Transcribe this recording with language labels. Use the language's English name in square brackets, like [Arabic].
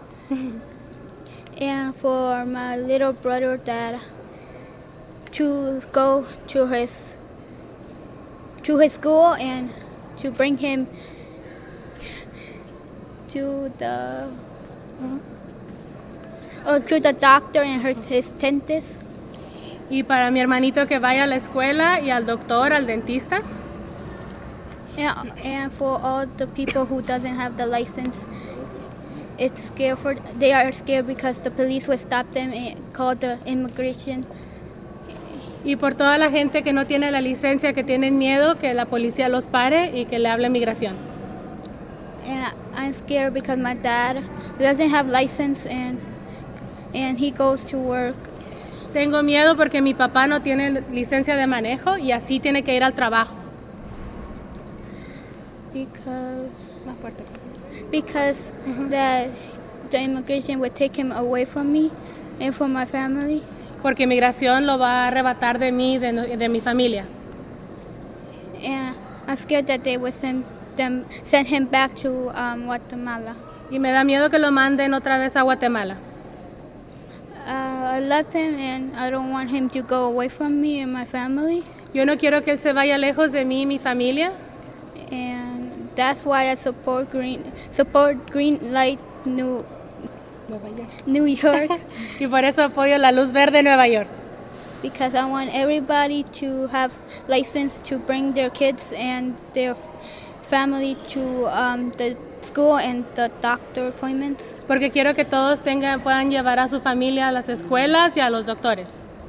[English] And for my little brother that to go to his. To his school and to bring him to the or to the doctor and her his dentist. [Spanish] Y para mi hermanito que vaya a la escuela y al doctor, al dentista. [English] And for all the people who doesn't have the license, it's scared for they are scared because the police will stop them and call the immigration. [Spanish] Y por toda la gente que no tiene la licencia, que tienen miedo, que la policía los pare y que le hable migración. [English] Yeah, I'm scared because my dad doesn't have license and he goes to work. [Spanish] Tengo miedo porque mi papá no tiene licencia de manejo y así tiene que ir al trabajo. [English] Because the immigration will take him away from me and from my family. [Spanish] Porque inmigración lo va a arrebatar de mí, de mi familia. [English] Yeah, I'm scared that they will send him back to Guatemala. [Spanish] Y me da miedo que lo manden otra vez a Guatemala. [English] I love him and I don't want him to go away from me and my family. [Spanish] Yo no quiero que él se vaya lejos de mí y mi familia. [English] And that's why I support green light New York. [Spanish] Y por eso apoyo la luz verde Nueva York. [English] Because I want everybody to have license to bring their kids and their family to the school and the doctor appointments. [Spanish] Porque quiero que todos tengan puedan llevar a su familia a las escuelas y a los doctores.